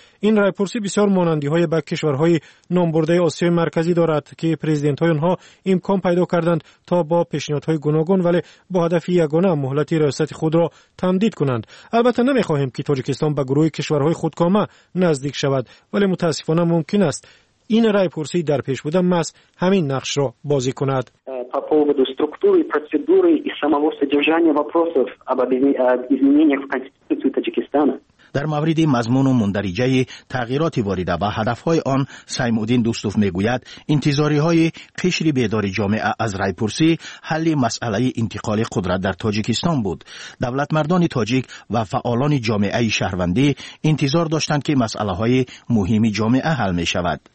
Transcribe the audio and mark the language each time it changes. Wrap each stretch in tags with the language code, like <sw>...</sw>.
<fa>این رای پرسی بسیار مانندی های به کشورهای نامبرده آسیای مرکزی دارد که پرزیدنت های آنها امکان پیدا کردند تا با پیشنهادهای گوناگون ولی با هدف یگانه مهلت ریاست خود را تمدید کنند. البته نمیخواهیم که تاجیکستان به گروه کشورهای خودکامه نزدیک شود، ولی متاسفانه ممکن است این رای پرسی در پیش بوده مس همین نقش را بازی کند.</fa> <ru>структуры, процедуры и самого содержания вопросов об изменениях в Конституции Таджикистана.</ru> <fa>در مورد مضمون و مندرجه تغییرات وارده و هدف‌های آن، سیمودین دوستوف میگوید انتظاری‌های قشر بیدار جامعه از رای پرسی حل مسئله انتقال قدرت در تاجیکستان بود. دولت مردان تاجیک و فعالان جامعه شهروندی انتظار داشتند که مسئله‌های مهم جامعه حل می‌شود.</fa>